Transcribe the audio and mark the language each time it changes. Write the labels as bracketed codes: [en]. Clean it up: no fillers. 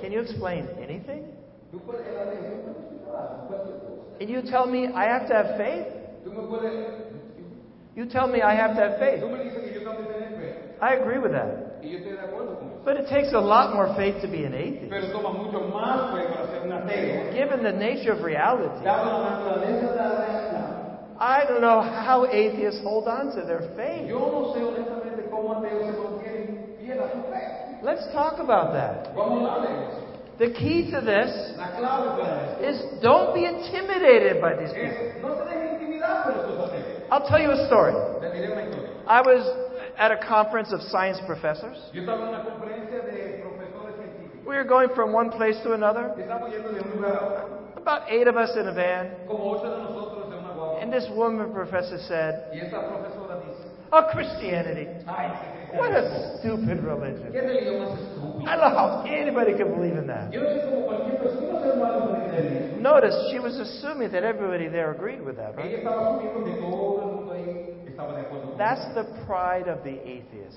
[en] can you explain anything? [es] ¿Tú puedes el ateo? [en] And you tell me I have to have faith? [es] ¿Tú me puedes... [en] You tell me I have to have faith. [es] ¿Tú me dices que yo tengo que tener fe? [en] I agree with that. [es] ¿Y yo estoy de acuerdo con eso? [en] But it takes a lot more faith to be an atheist. [es] Pero toma mucho más fe para ser un ateo. [en] Given the nature of reality, [es] dado la naturaleza de la realidad, [en] I don't know how atheists hold on to their faith. [es] Yo no sé honestamente cómo ateos se mantienen fieles a su fe. [en] Let's talk about that. [es] Vamos a ver. [en] The key to this, [es] la clave para esto, [en] is don't be intimidated by these people. [es] No se dejen intimidar por estos ateos. [en] I'll tell you a story. [es] Te diré una historia. [en] I was at a conference of science professors. [es] Yo estaba en una conferencia de profesores científicos. [en] We were going from one place to another. [es] Estamos yendo de un lugar a otro. [en] About eight of us in a van. [es] Como ocho de nosotros. [en] And this woman professor said, [es] y esta profesora dice, [en] oh, Christianity. [es] Ay, [en] what a stupid religion. [es] ¿Qué religión más estúpida? [en] I don't know how anybody can believe in that. [es] Yo no sé cómo cualquier persona se va a creer. [en] Notice, she was assuming that everybody there agreed with that, right? [es] Ella estaba asumiendo que todo el mundo ahí estaba de acuerdo con ella. [en] That's the pride of the atheist.